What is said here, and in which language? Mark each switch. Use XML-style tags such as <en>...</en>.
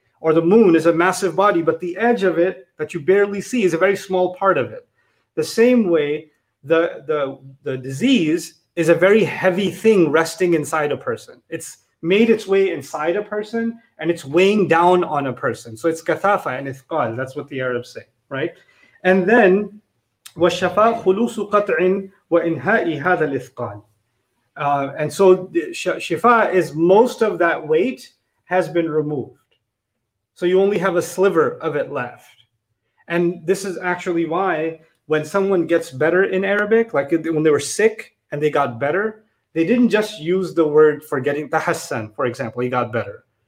<en>Or the moon is a massive body, but the edge of it that you barely see is a very small part of it. The same way the disease is a very heavy thing resting inside a person. It's made its way inside a person and it's weighing down on a person. So it's kathafa and ithqal. That's what the Arabs say, right? And then</en> <ar>وَالشَّفَاء خُلُوسُ قَطْعٍ وَإِنْهَاءِ هَذَا الْإِثْقَالِ.</ar> <en>And so shifa is most of that weight has been removed. So you only have a sliver of it left. And this is actually why when someone gets better in Arabic, like when they were sick and they got better, they didn't just use the word for getting tahassan, for example, he got better.</en>